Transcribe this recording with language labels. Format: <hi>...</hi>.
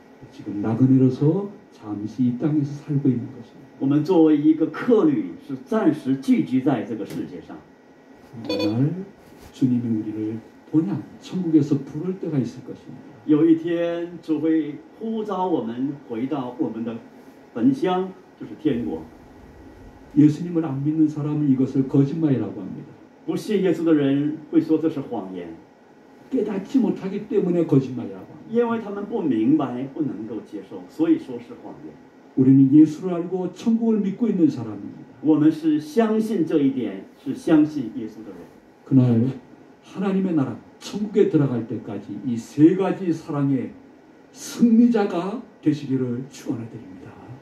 <ko>지금 나그네로서 잠시 이 땅에서 살고 있는 것입니다.</ko> <zh>我们作为一个客旅是暂时聚居在这个世界上。</zh> <ko>오늘 주님이 우리를 본향 천국에서 부를 때가 있을 것입니다.</ko> <zh>有一天主会呼召我们回到我们的本乡，就是天国。</zh> <ko>예수님을 안 믿는 사람은 이것을 거짓말이라고 합니다.</ko> <zh>不信耶稣的人会说这是谎言。</zh> <ko>깨닫지 못하기 때문에 거짓말이라고 합니다.</ko> <zh>因为他们不明白，不能够接受，所以说是谎言。</zh> <ko>우리는 예수를 알고 천국을 믿고 있는 사람입니다.</ko> <zh>我们是相信这一点，是相信耶稣的人。</zh> <ko>그날 하나님의 나라 천국에 들어갈 때까지 이 세 가지 사랑의 승리자가 되시기를 축원해 드립니다.</ko>